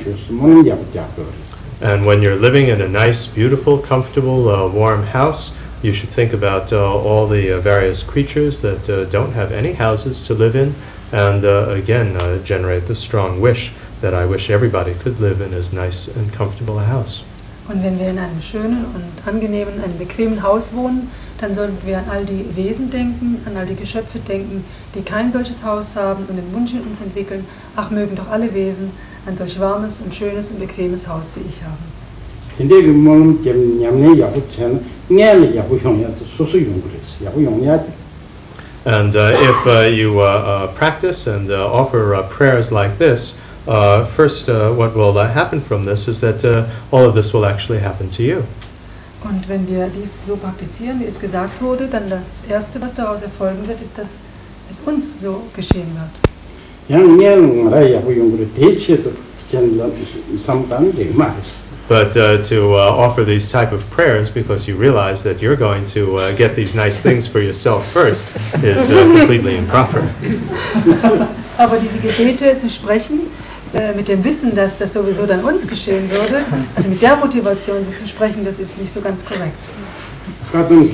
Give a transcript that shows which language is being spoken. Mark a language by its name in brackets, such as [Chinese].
[English] And when you're living in a nice, beautiful, comfortable, warm house, you should think about all the various creatures that don't have any houses to live in, and again generate the strong wish that I wish everybody could live in as nice and comfortable a house. [German] Und wenn wir in einem schönen und angenehmen, einem bequemen Haus wohnen, dann sollten wir an all die Wesen denken, an all die Geschöpfe denken, die kein solches Haus haben, und den Wunsch in uns entwickeln, ach, mögen doch alle Wesen ein solch warmes und schönes und bequemes Haus wie ich haben. [English] And if you practice and offer prayers like this, first, what will happen from this is that all of this will actually happen to you. [German] Und wenn wir dies so praktizieren, wie es gesagt wurde, dann das Erste, was daraus erfolgen wird, ist, dass es uns so geschehen wird. [English] But to offer these type of prayers because you realize that you're going to get these nice things for yourself first is completely improper. [German] Aber diese Gebete zu sprechen, mit dem Wissen, dass das sowieso dann uns geschehen würde, also mit der Motivation, sie zu sprechen, das ist nicht so ganz korrekt.